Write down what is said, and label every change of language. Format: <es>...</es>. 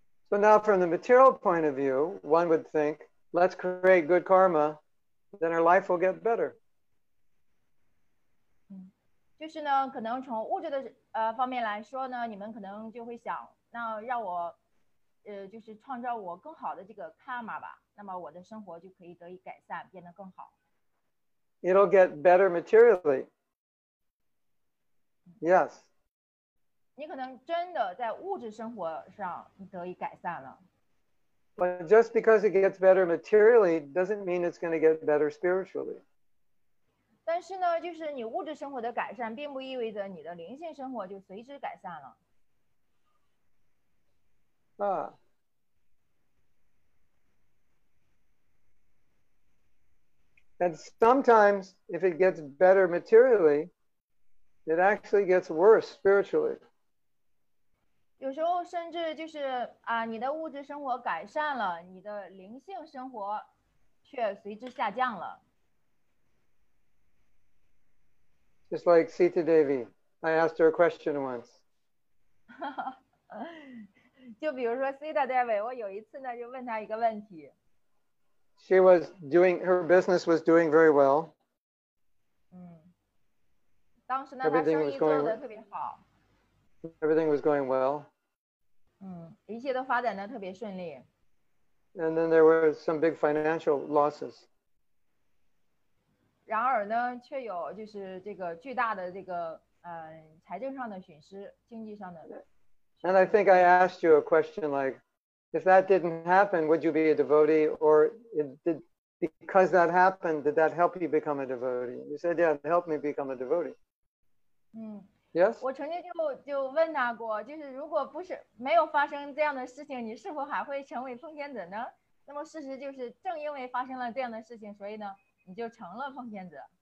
<en>So now from the material point of view, one would think, let's create good karma, then our life will get better.</en> <zh>就是呢，可能从物质的方面来说呢，你们可能就会想，那让我就是创造我更好的这个 karma 吧，那么我的生活就可以得以改善，变得更好。</zh> <en>It'll get better materially. Yes.</en> <zh>你可能真的在物质生活上得以改善了。</zh> <en>But just because it gets better materially doesn't mean it's going to get better spiritually.</en> <zh>但是呢，就是你物质生活的改善，并不意味着你的灵性生活就随之改善了。</zh> <en>And sometimes, if it gets better materially, it actually gets worse spiritually.</en> <zh>有时候甚至就是你的物质生活改善了，你的灵性生活却随之下降了。</zh> <en>Just like Sita Devi, I asked her a question once.</en> <zh>就比如说 Sita Devi, 我有一次呢就问她一个问题。</zh> <en>She was doing, her business was doing very well.</en> <zh>嗯，当时呢她生意做得特别好。</zh> <en>Everything was going well.</en> <zh>嗯，一切都发展得特别顺利。</zh> <en>And then there were some big financial losses.</en> <zh>然而呢却有就是这个巨大的这个财政上的损失，经济上的。</zh> <en>And I think I asked you a question like, if that didn't happen, would you be a devotee? Or because that happened, did that help you become a devotee? You said, yeah, it helped me become a devotee. 嗯， yes?</en> <zh>我曾经就问他过，就是如果不是没有发生这样的事情，你是否还会成为奉献者呢？那么事实就是，正因为发生了这样的事情，所以呢，你就成了奉献者。</zh>